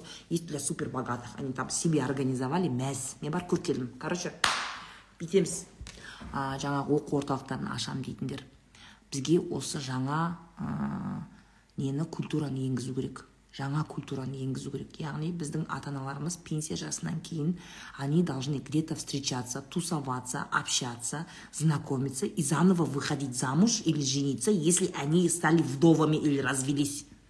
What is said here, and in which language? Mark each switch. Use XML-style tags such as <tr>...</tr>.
<ru>Вот есть для супер богатых, они там себе организовали мәз.</ru> <kk>Мен бар көріп келдім, короче, бүйтеміз. Жаңа оқу орталықтарын ашам дейтіндер, бізге осы жаңа нені культураны енгізу керек. Жаңа культураны енгізу керек. Яғни біздің ата-аналарымыз пенсия жасынан кейін</kk> <ru>они должны где-то встречаться, тусоваться, общаться, знакомиться и заново выходить замуж или жениться, если они стали вдовами или развелись.</ru>